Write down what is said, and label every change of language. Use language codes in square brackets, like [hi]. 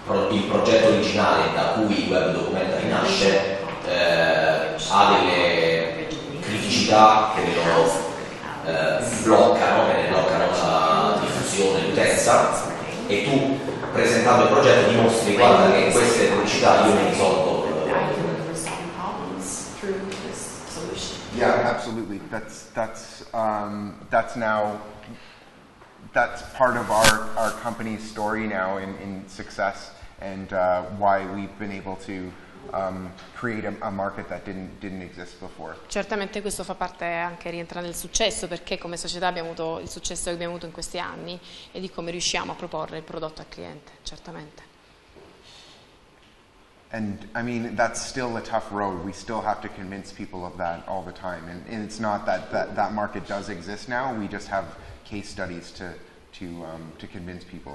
[it] il progetto originale da cui il web documentary nasce ha delle criticità che ne bloccano la diffusione, l'utenza, e tu presentando il progetto dimostri guarda che queste criticità io mi risolvo. [en] Yeah, absolutely. That's part of our company's story now in success and why we've been able to create a market that didn't exist before. [it] Certamente questo fa parte anche rientra nel successo perché come società abbiamo avuto il successo che abbiamo avuto in questi anni e di come riusciamo a proporre il prodotto al cliente, certamente. [en] And I mean, that's still a tough road. We still have to convince people of that all the time. And it's not that market does exist now. We just have case studies to convince people.